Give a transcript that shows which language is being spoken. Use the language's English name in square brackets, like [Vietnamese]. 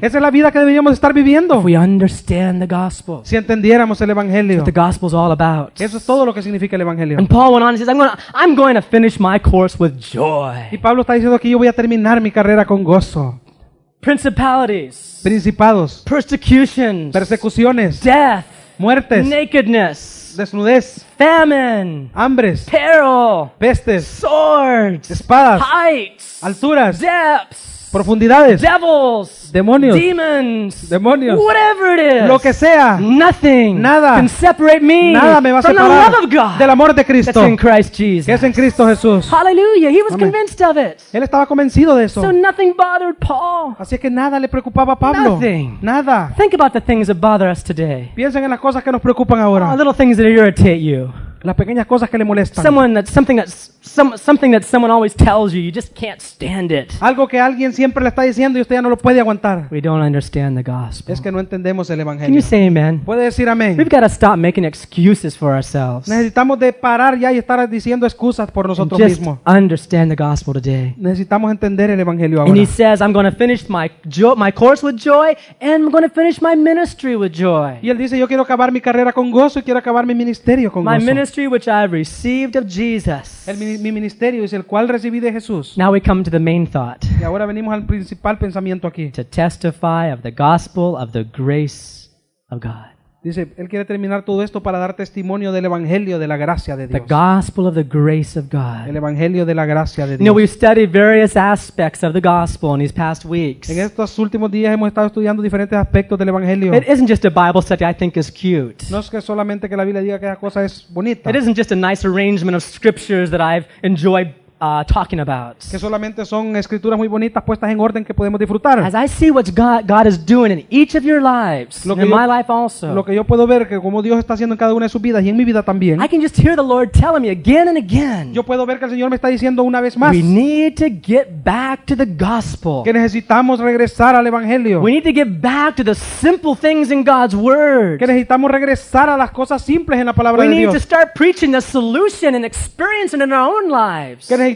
[Spanish] Esa es la vida que deberíamos estar viviendo. [English] If we understand the gospel. [Spanish] Si entendiéramos el evangelio. [English] That's what the gospel's all about. [Spanish] Eso es todo lo que significa el evangelio. [English] And Paul went on and says, I'm going to finish my course with joy. [Spanish] Y Pablo está diciendo que yo voy a terminar mi carrera con gozo. [English] Principalities. [Spanish] Principados. [English] Persecutions. [Spanish] Persecuciones. [English] Death. [Spanish] Muertes. [English] Nakedness. [Spanish] Desnudez. [English] Famine. [Spanish] Hambres. [English] Peril. [Spanish] Pestes. [English] Swords. [Spanish] Espadas. [English] Heights. [Spanish] Alturas. [English] Depths. [Spanish] Profundidades. [English] Devils. [Spanish] Demonios. [English] Demons. [Spanish] Demonios. [English] Whatever it is. [Spanish] Lo que sea. [English] Nothing. [Spanish] Nada. [English] Can separate me. [Spanish] Nada me va a [English] from [Spanish] separar [English] the love of God. [Spanish] Del amor de Cristo. [English] That's in Christ Jesus. [Spanish] Que es en Cristo Jesús. [English] Hallelujah. He was Amen. Convinced of it. [Spanish] Él estaba convencido de eso. [English] So nothing bothered Paul. [Spanish] Así es que nada le preocupaba a Pablo. [English] Nothing. [Spanish] Nada. [English] Think about the things that bother us today. [Spanish] Piensen en las cosas que nos preocupan ahora. [English] The little things that irritate you. [Spanish] Las pequeñas cosas que le molestan. [English] Someone that something that something that someone always tells you, you just can't stand it. [Spanish] Algo que alguien siempre le está diciendo y usted ya no lo puede aguantar. [English] We don't understand the gospel. [Spanish] Es que no entendemos el evangelio. [English] Can you say amen? [Spanish] ¿Puede decir amén? [English] We've got to stop making excuses for ourselves. [Spanish] Necesitamos de parar ya y estar diciendo excusas por nosotros [English] just [Spanish] mismos. [English] Understand the gospel today. [Spanish] Necesitamos entender el evangelio ahora. [English] And he says, I'm going to finish my course with joy and I'm going to finish my ministry with joy. [Spanish] Y él dice, yo quiero acabar mi carrera con gozo y quiero acabar mi ministerio con [English] my [Spanish] gozo. [English] Ministry which I have received of Jesus. [Spanish] Mi ministerio es el cual recibí de Jesús. [English] Now we come to the main thought. [Spanish] Y ahora venimos al principal pensamiento aquí. [English] To testify of the gospel of the grace of God. [Spanish] Dice, él quiere terminar todo esto para dar testimonio del evangelio de la gracia de Dios. [English] The gospel of the grace of God. [Spanish] El evangelio de la gracia de Dios. [English] You know, we've studied various aspects of the gospel in these past weeks. [Spanish] En estos últimos días hemos estado estudiando diferentes aspectos del evangelio. [English] It isn't just a Bible study I think is cute. [Spanish] No es que solamente que la Biblia diga que esa cosa es bonita. [English] It isn't just a nice arrangement of scriptures that I've enjoyed talking about. [Spanish] Que solamente son escrituras muy bonitas puestas en orden que podemos disfrutar. [English] As I see what God is doing in each of your lives, in my life also. [Spanish] Lo que yo puedo ver que como Dios está haciendo en cada una de sus vidas y en mi vida también. [English] I can just hear the Lord telling me again and again. [Spanish] Yo puedo ver que el Señor me está diciendo una vez más. [English] We need to get back to the gospel. [Spanish] Que necesitamos regresar al evangelio. [English] We need to get back to the simple things in God's word. [Spanish] Que necesitamos regresar a las cosas simples en la palabra de Dios. [English] We need to start preaching the solution and experiencing in our own lives.